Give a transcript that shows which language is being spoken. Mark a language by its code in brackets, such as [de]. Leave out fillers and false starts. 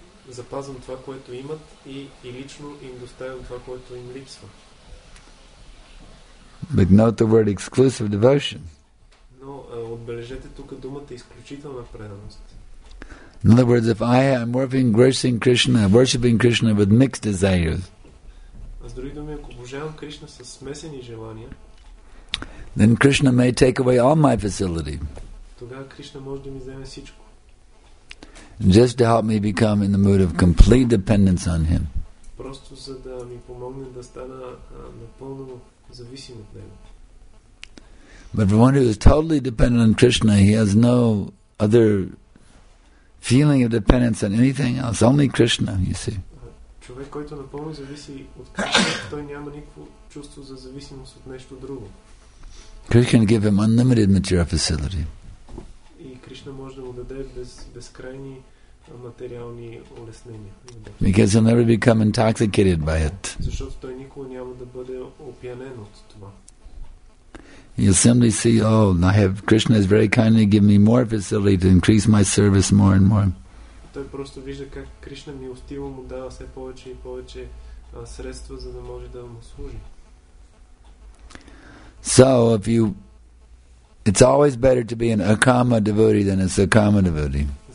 [bg] Запазвам това, което имат и лично им доставям това, което им липсва. [en] But note the word exclusive devotion. [bg] Но отбележете тук думата изключителна преданост. [en] In other words, if I am worshiping Krishna with mixed desires. [bg] С други думи, ако обожавам Кришна със смесени желания, [en] then Krishna may take away all my facility. [bg] Тогава Кришна може да ми вземе всичко. [en] Just to help me become in the mood of complete dependence on Him. [bg] Просто за да ми помогне да стана напълно зависим от Него. [en] But for one who is totally dependent on Krishna, he has no other feeling of dependence on anything else, only Krishna, you see. [bg] Човек, който напълно зависи от Кришна, той няма никакво чувство за зависимост от нещо друго. [en] Krishna can give him unlimited material facility. [bg] Кришна може да му даде безкрайни материални улеснения. [en] Because he'll never become intoxicated by it. [bg] Защото той никога няма да бъде опиянен от това. [en] You'll simply see, Krishna has very kindly given me more facility to increase my service more and more. [bg] Той просто вижда как Кришна милостиво му дава все повече и повече средства, за да може да му служи. [en] So, if you It's always better to be an akama devotee than a sakama devotee.